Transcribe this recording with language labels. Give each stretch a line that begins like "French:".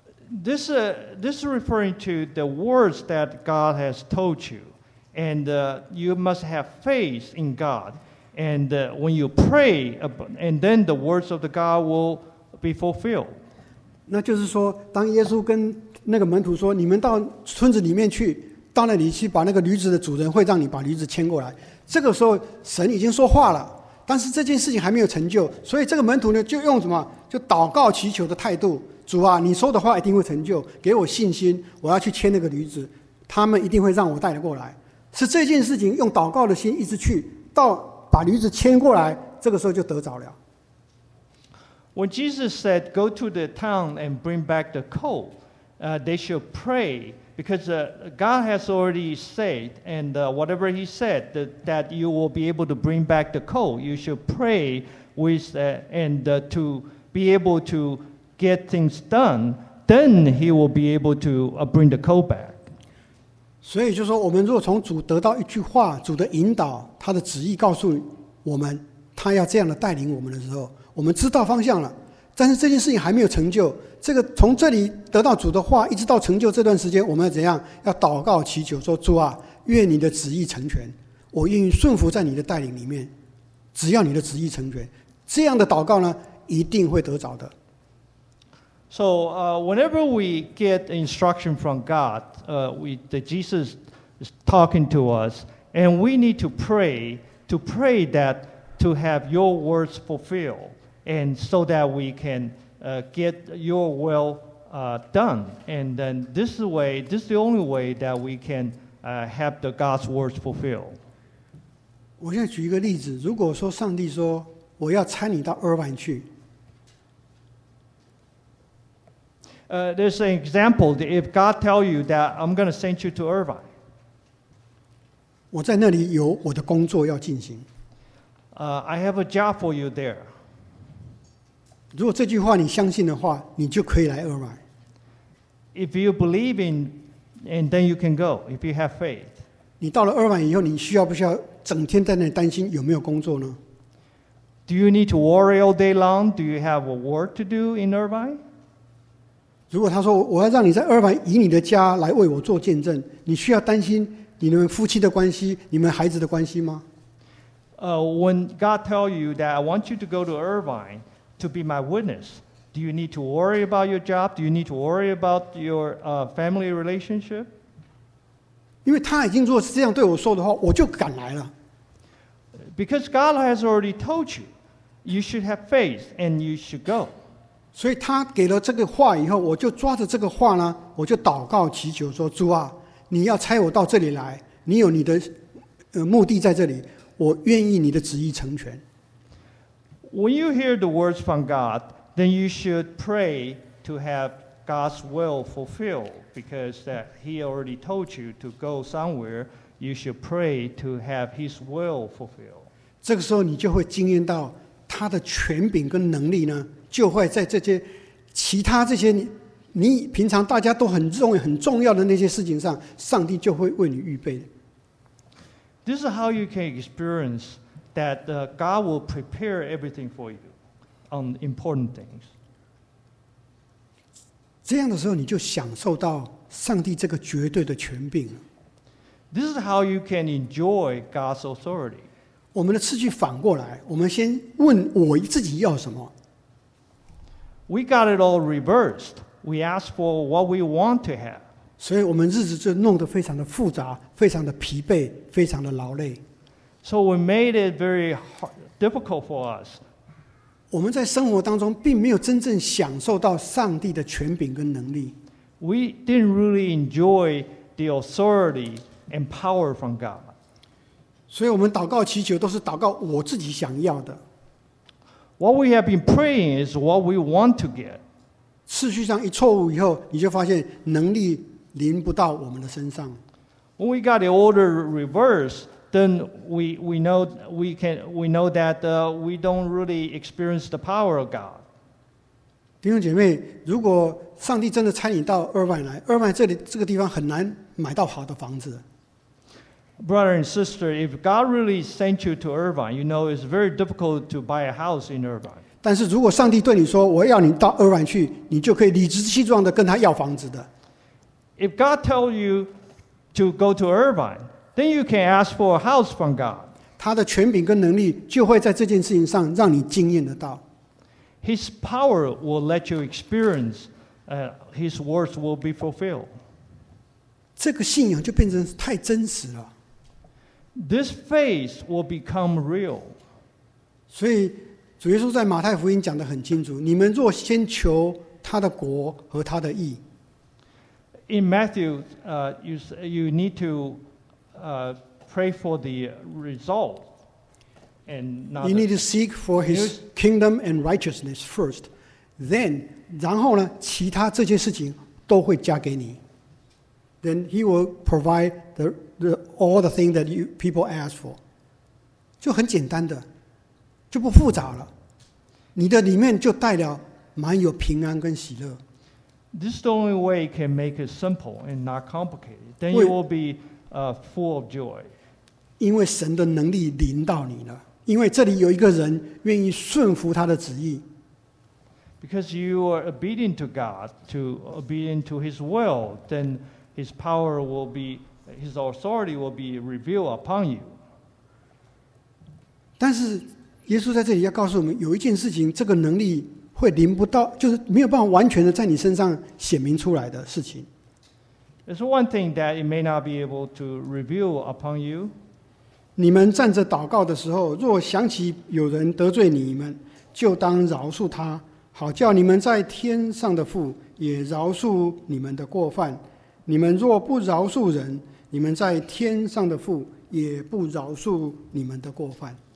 English: This is referring to the words that God has told you, and you must have faith in God. And when you pray, and then the words of the God will be fulfilled.
Chinese: 那就是说，当耶稣跟那个门徒说，你们到村子里面去，到那里去把那个驴子的主人会让你把驴子牵过来。这个时候，神已经说话了，但是这件事情还没有成就，所以这个门徒呢，就用什么，就祷告祈求的态度，主啊，你说的话一定会成就，给我信心，我要去牵那个驴子，他们一定会让我带得过来。是这件事情用祷告的心一直去到。把驴子牵过来，这个时候就得着了。
English: When Jesus said, "Go to the town and bring back the colt," they should pray because God has already said, and whatever He said that you will be able to bring back the colt, you should pray with and to be able to get things done. Then He will be able to bring the colt back.
Chinese: 所以就说，我们如果从主得到一句话，主的引导，他的旨意告诉我们，他要这样的带领我们的时候，我们知道方向了。但是这件事情还没有成就，这个从这里得到主的话，一直到成就这段时间，我们要怎样？要祷告祈求说，主啊，愿你的旨意成全，我愿意顺服在你的带领里面，只要你的旨意成全，这样的祷告呢，一定会得着的。
English: So whenever we get instruction from God, that Jesus is talking to us, and we need to pray that to have your words fulfilled, and so that we can get your will done. And then this is the only way that we can have the God's words fulfilled.
Chinese: 我现在举一个例子，如果说上帝说，我要差你到厄尔湾去。
English: There's an example. If God tell you that I'm going to send you to Irvine,
Chinese: 我在那里有我的工作要进行。
English: I have a job for you there.
Chinese: 如果这句话你相信的话，你就可以来 Irvine.
English: If you believe in, and then you can go. If you have faith,
Chinese: 你到了 Irvine 以后，你需要不需要整天在那里担心有没有工作呢？
English: Do you need to worry all day long? Do you have a work to do in Irvine?
Chinese: 如果他说我要让你在厄尔湾以你的家来为我做见证，你需要担心你们夫妻的关系、你们孩子的关系吗？
English: When God tell you that I want you to go to Irvine to be my witness, do you need to worry about your job? Do you need to worry about your family relationship?
Chinese: 因为他已经如果是这样对我说的话，我就敢来了。
English: Because God has already told you, you should have faith and you should go.
Chinese: 所以他给了这个话以后，我就抓着这个话呢，我就祷告祈求说，主啊，你要差我到这里来，你有你的目的在这里，我愿意你的旨意成全。
English: When you hear the words from God, then you should pray to have God's will fulfilled, because that He already told you to go somewhere, you should pray to have His will fulfilled.
Chinese: 这个时候你就会经验到他的权柄跟能力呢，就会在这些其他这些 你平常大家都很重要的那些事情上，上帝就会为你预备。
English: This is how you can experience that God will prepare everything for you on important things.
Chinese: 这样的时候你就享受到上帝这个绝对的权柄。
English: This is how you can enjoy God's authority.
Chinese: 我们的次序反过来，我们先问我自己要什么。
English: We got it all reversed. We asked for what we want to have.
Chinese: 所以我们日子就弄得非常的复杂，非常的疲惫，非常的劳累。
English: So we made it very difficult for us.
Chinese: 我们在生活当中并没有真正享受到上帝的权柄跟能力。
English: We didn't really enjoy the authority and power from God.
Chinese: 所以我们祷告祈求都是祷告我自己想要的。
English: What we have been praying is what we want to get.
Chinese: 次序上一错误以后，你就发现能力临不到我们的身上。
English: When we got the order reversed, then we know that we don't really experience the power of God.
Chinese: 弟兄姐妹，如果上帝真的差你到厄万来，厄万这个地方很难买到好的房子。
English: Brother and sister, if God really sent you to Irvine, you know it's very difficult to buy a house in Irvine.
Chinese: 但是如果上帝对你说，我要你到厄万去，你就可以理直气壮的跟他要房子的。
English: If God tells you to go to Irvine, then you can ask for a house from God.
Chinese: 他的权柄跟能力就会在这件事情上让你经验得到。
English: His power will let you experience, his words will be fulfilled.
Chinese: 这个信仰就变成太真实了。
English: This faith will become real.
Chinese: 所以主耶稣在马太福音讲得很清楚，你们若先求他的国和他的义。
English: In Matthew, you need to pray for the result. And not you need to seek for his kingdom and righteousness first. Then,
Chinese: 然后呢，其他这些事情都会加给你。
English: Then he will provide all the things that you people ask for.
Chinese: 就很简单的，就不复杂了。你的里面就带了满有平安跟喜乐。
English: This is the only way you can make it simple and not complicated. Then you will be full of joy.
Chinese: 因为神的能力临到你了，因为这里有一个人愿意顺服他的旨意。
English: Because you are obedient to God, to obedient to His will, then His power will be, His authority will be revealed upon you.
Chinese: 但是耶稣在这里要告诉我们，有一件事情，这个能力会临不到，就是没有办法完全的在你身上显明出来的事情。
English: It's one thing that it may not be able to reveal upon you.
Chinese: 你们站着祷告的时候，若想起有人得罪你们，就当饶恕他，好叫你们在天上的父也饶恕你们的过犯。你们若不饶恕人，你们在天上的父也不饶恕你们的过犯。